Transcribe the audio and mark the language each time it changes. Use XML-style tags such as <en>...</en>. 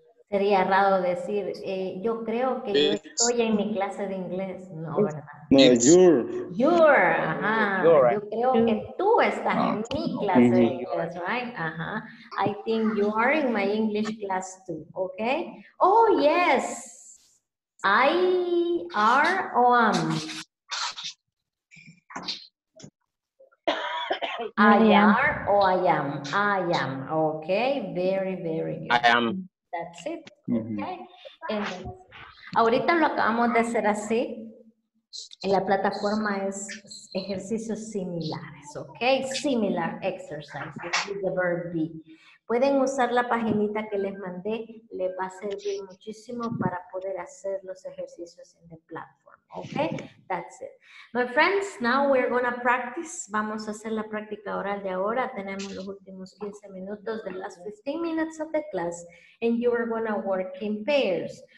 <es>Sería raro decir, yo creo que yo estoy en mi clase de inglés. No, ¿verdad?</es> <en>No, you're. You're, ajá.</en> <es>You're, yo creo que tú estás en mi clase de inglés, right? Ajá.</es> <en>I think you are in my English class too, okay? Oh, yes. I are or am? I are or I am? I am, okay? Very, very good. I am. That's it. Mm-hmm. Okay.</en> <es>Ahorita lo acabamos de hacer así. En la plataforma es ejercicios similares. Okay.</es> <en>Similar exercise. This is the verb be.</en> <es>Pueden usar la paginita que les mandé. Les va a servir muchísimo para poder hacer los ejercicios en la plataforma. Okay.</es> <en>That's it. My friends, now we're going to practice.</en> <es>Vamos a hacer la práctica oral de ahora. Tenemos los últimos 15 minutos,</es> <en>the last 15 minutes of the class. And you are going to work in pairs.</en>